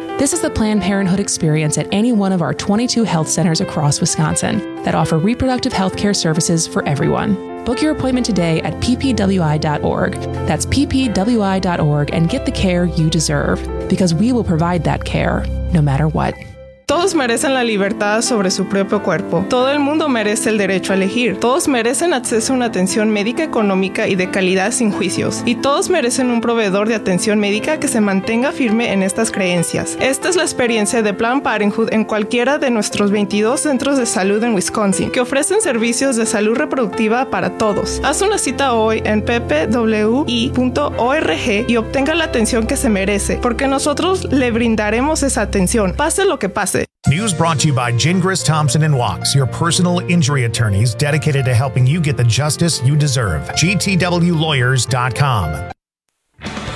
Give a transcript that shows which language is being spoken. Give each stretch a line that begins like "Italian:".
English: This is the Planned Parenthood experience at any one of our 22 health centers across Wisconsin that offer reproductive healthcare services for everyone. Book your appointment today at ppwi.org. That's ppwi.org, and get the care you deserve, because we will provide that care no matter what.
Spanish: Todos merecen la libertad sobre su propio cuerpo. Todo el mundo merece el derecho a elegir. Todos merecen acceso a una atención médica económica y de calidad sin juicios. Y todos merecen un proveedor de atención médica que se mantenga firme en estas creencias. Esta es la experiencia de Planned Parenthood en cualquiera de nuestros 22 centros de salud en Wisconsin, que ofrecen servicios de salud reproductiva para todos. Haz una cita hoy en ppwi.org y obtenga la atención que se merece, porque nosotros le brindaremos esa atención, pase lo que pase.
English: News brought to you by Gingras Thompson & Watts, your personal injury attorneys dedicated to helping you get the justice you deserve. GTWLawyers.com.